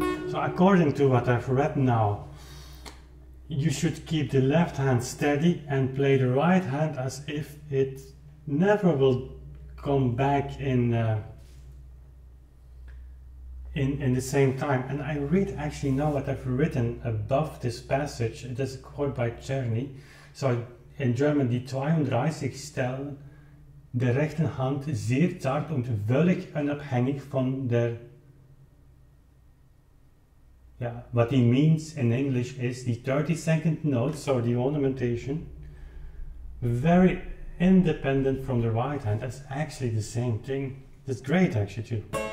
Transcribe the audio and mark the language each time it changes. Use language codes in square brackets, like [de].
[en] So according to what I've read now, you should keep the left hand steady and play the right hand as if it never will come back in the same time. And I read actually now what I've written above this passage. It is a quote by Czerny. So in German, [de] die 32 Stellen der rechten Hand sehr zart und völlig unabhängig von der. [en] Yeah, what he means in English is the 32nd note, so the ornamentation, very independent from the right hand. That's actually the same thing. That's great, actually, too.